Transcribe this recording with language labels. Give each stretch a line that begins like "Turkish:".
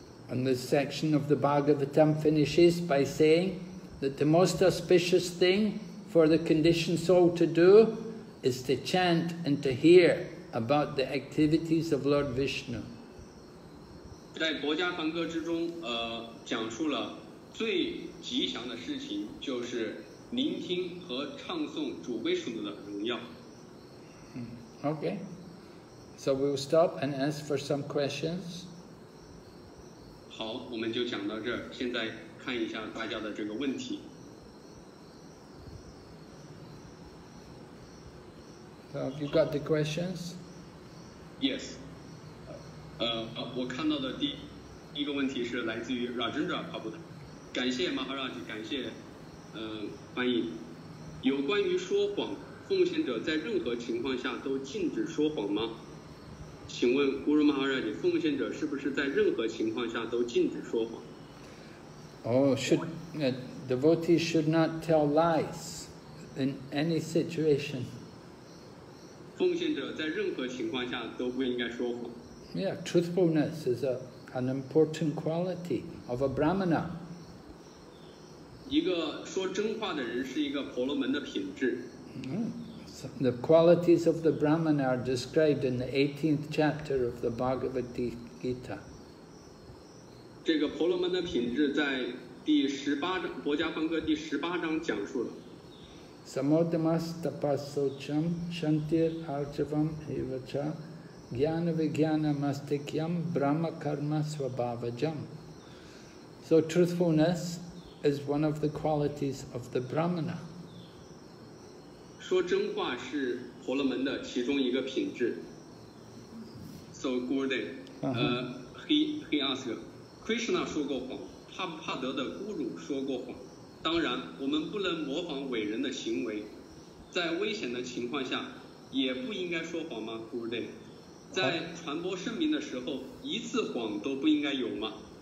English: And this section of the Bhagavatam finishes by saying that the most auspicious thing for the conditioned soul to do is to chant and to hear about the activities of Lord Vishnu.
Chinese: 在国家梵歌之中，讲述了最吉祥的事情就是聆听和唱诵主威属的荣耀。
English: Okay, so we will stop and ask for some questions.
Chinese: 好，我们就讲到这儿。现在看一下大家的这个问题。
English: So have you got the questions? Yes.
Chinese: 我看到的第一个问题是来自于 Rajendra Prabhu 的，感谢 Maharaj， 感谢翻译。有关于说谎，奉献者在任何情况下都禁止说谎吗？请问 Guru Maharaj， 奉献者是不是在任何情况下都禁止说谎
English: ？Oh, should devotees should not tell lies in any situation?
Chinese: 奉献者在任何情况下都不应该说谎。
English: Yeah, truthfulness is an important quality of a brahmana.
Chinese: 一个说真话的人是一个婆罗门的品质。
English: The qualities of the brahmana are described in the 18th chapter of the Bhagavad Gita.
Chinese: 这个婆罗门的品质在第十八章《薄伽梵歌》第十八章讲述了。
Sanskrit: Samodamas tapasocham shantir archavam evacha jnana vijnana mastikyam brahma karma svabhavajam.
English: So truthfulness is one of the qualities of the brahmana.
Chinese: 说真话是婆罗门的其中一个品质。
English: So Gurudev, he asked,
Chinese: Krishna 说过谎，帕布帕德的咕噜说过谎。当然，我们不能模仿伟人的行为，在危险的情况下，也不应该说谎吗 ？Gurudev， 在传播圣名的时候，一次谎都不应该有吗？